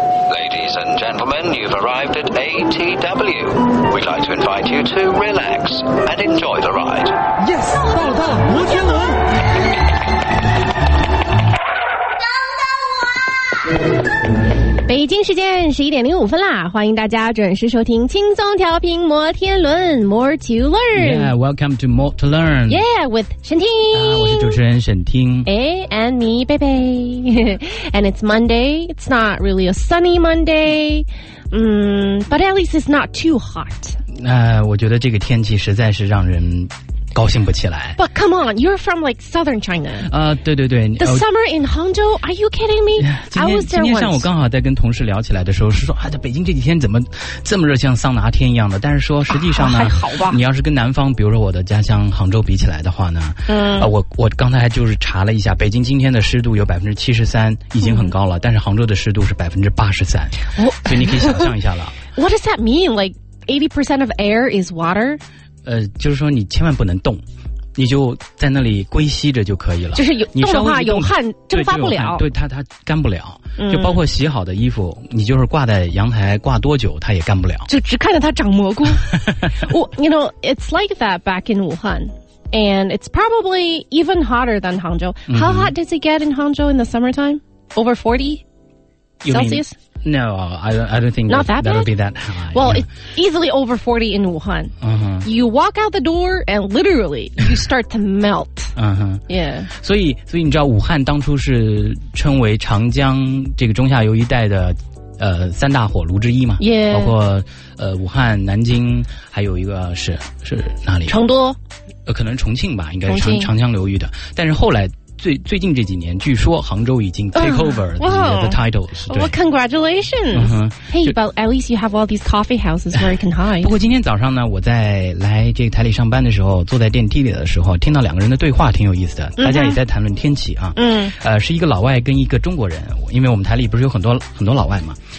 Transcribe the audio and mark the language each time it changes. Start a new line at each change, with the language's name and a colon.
English: Ladies and gentlemen, you've arrived at ATW. We'd like to invite you to relax and enjoy the ride. Yes,
Chinese: 到了，到了，摩天轮。等等我。北京时间11:05啦，欢迎大家准时收听轻松调频摩天轮 More to Learn.
English: Yeah, welcome to More to Learn. Yeah, with 沈听、
Chinese: 我是主持人沈听。
English: And me, 贝贝。 And it's Monday, it's not really a sunny Monday, but at least it's not too hot.
Chinese: 我觉得这个天气实在是让人高兴不起来。
English: But come on, you're from like southern China.
Chinese: 对对对。
English: The summer in Hangzhou, are you kidding me? I was there once.
Chinese: 今天上午刚好在跟同事聊起来的时候是说，这北京这几天怎么这么热，像桑拿天一样的。但是说实际上呢、还好吧。你要是跟南方，比如说我的家乡杭州比起来的话呢，我刚才就是查了一下，北京今天的湿度有73%，已经很高了。但是杭州的湿度是83%。所以你可以想象一下了。
English: What does that mean? Like 80% of air is water?
Chinese: 就是说你千万不能动，你就在那里归息着就可以了。就是有你动的话有汗蒸发不了，对它干不了。就包括洗好的衣服，你就是挂在阳台挂多久它也干不了，就只看着它长蘑菇。
English: You know, it's like that back in Wuhan, and it's probably even hotter than Hangzhou. How hot does it get in Hangzhou in the summertime? Over 40 Celsius? No, I don't think that would be that high. Well, it's easily over 40 in Wuhan. Uh-huh. You walk out the door and literally you start to melt. Uh-huh. Yeah.
Chinese: 所以你知道武汉当初是称为长江这个中下游一带的三大火炉之一嘛。
English: Yeah.
Chinese: 包括武汉、南京，还有一个是哪里？成都。可能重庆吧，应该是长江流域的。但是后来最近这几年，据说杭州已经
English: take over the titles. Well, congratulations. Hey, but at least you have all these coffee houses where you can hide.
Chinese: 不过今天早上呢，我在来这个台里上班的时候，坐在电梯里的时候，听到两个人的对话，挺有意思的。大家也在谈论天气啊。是一个老外跟一个中国人，因为我们台里不是有很多老外嘛。